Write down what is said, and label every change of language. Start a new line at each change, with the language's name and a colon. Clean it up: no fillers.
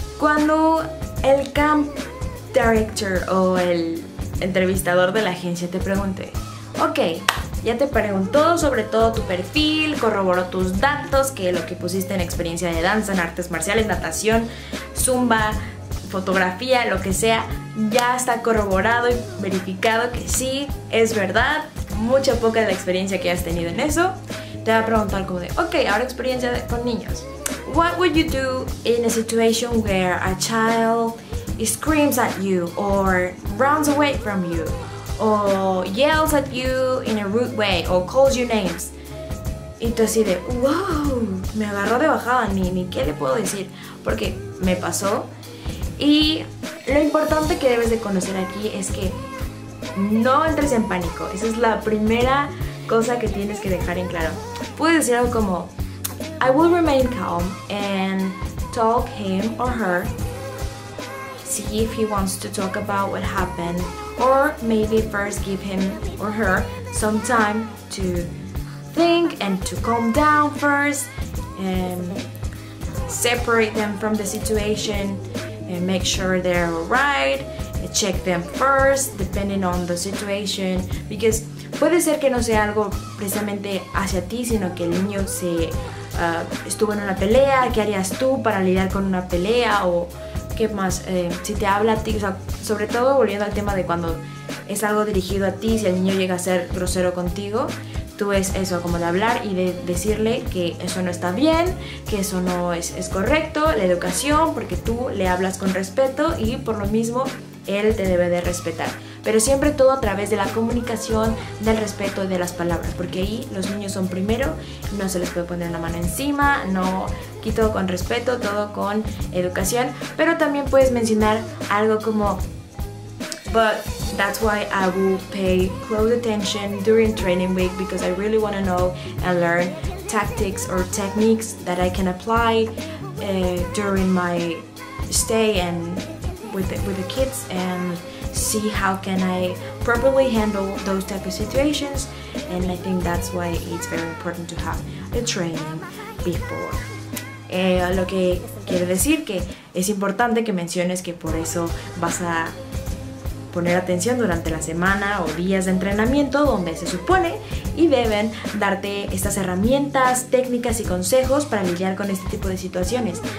Spanish: Cuando el camp director o el entrevistador de la agencia te pregunte, ok, ya te preguntó sobre todo tu perfil, corroboró tus datos, que lo que pusiste en experiencia de danza, en artes marciales, natación, zumba, fotografía, lo que sea, ya está corroborado y verificado que sí, es verdad, mucha poca de la experiencia que has tenido en eso. Te va a preguntar como de, ok, ahora experiencia con niños.
English: What would you do in a situation where a child screams at you or runs away from you or yells at you in a rude way or calls you names?
Spanish: Y tú así de, wow, me agarró de bajada, ni qué le puedo decir, porque me pasó. Y lo importante que debes de conocer aquí es que no entres en pánico. Esa es la primera cosa que tienes que dejar en claro. Puedes decir algo como,
English: I will remain calm and talk him or her, see if he wants to talk about what happened, or maybe first give him or her some time to think and to calm down first and separate them from the situation and make sure they're alright, check them first depending on the situation, because
Spanish: puede ser que no sea algo precisamente hacia ti, sino que el niño se estuvo en una pelea. ¿Qué harías tú para lidiar con una pelea? O qué más, si te habla a ti, o sea, sobre todo volviendo al tema de cuando es algo dirigido a ti, si el niño llega a ser grosero contigo, tú es eso, como de hablar y de decirle que eso no está bien, que eso no es, es correcto, la educación, porque tú le hablas con respeto y por lo mismo él te debe de respetar. Pero siempre todo a través de la comunicación, del respeto y de las palabras, porque ahí los niños son primero, no se les puede poner una mano encima, no, aquí todo con respeto, todo con educación. Pero también puedes mencionar algo como,
English: but that's why I will pay close attention during training week, because I really want to know and learn tactics or techniques that I can apply during my stay and with the kids, and see how can I properly handle those type of situations. And I think that's why it's very important to have a training before.
Spanish: Lo que quiere decir que es importante que menciones que por eso vas a poner atención durante la semana o días de entrenamiento, donde se supone y deben darte estas herramientas, técnicas y consejos para lidiar con este tipo de situaciones.